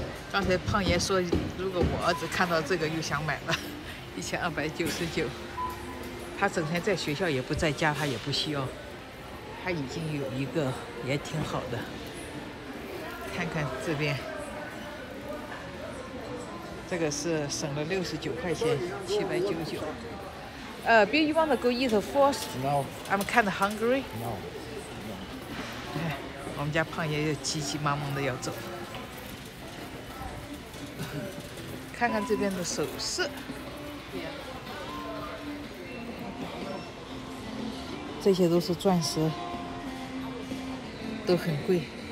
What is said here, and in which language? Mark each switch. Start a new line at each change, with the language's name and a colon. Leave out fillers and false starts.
Chinese: 刚才胖爷说，如果我儿子看到这个又想买了，1299。他整天在学校也不在家，他也不需要。他已经有一个也挺好的。看看这边，这个是省了69块钱，799。
English: Bill, you want to go eat the first? No. I'm kind of hungry. No.
Chinese: 我们家胖爷又急急忙忙的要走。看看这边的首饰，这些都是钻石，都很贵。